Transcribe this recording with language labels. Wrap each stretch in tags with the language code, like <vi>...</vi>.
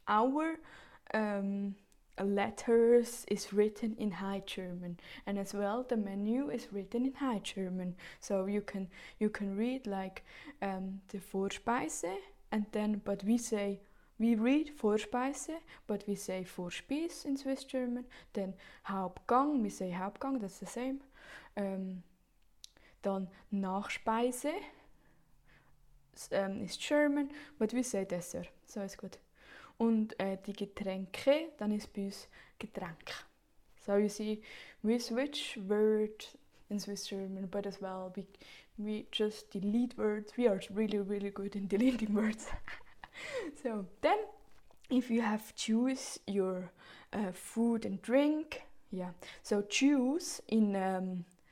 <en>Our letters is written in High German, and as well the menu is written in High German, so you can read like the Vorspeise, and then we read Vorspeise but we say Vorspeis in Swiss German. Then Hauptgang, we say Hauptgang, that's the same. Then Nachspeise is German, but we say Dessert, so it's good.</en> <de>Und die Getränke, dann ist bei uns Getränk.</de> <en>So you see, we switch words in Swiss German, but as well, we just delete words. We are really, really good in deleting words. So then, if you have choose your food and drink, yeah. So choose in</en>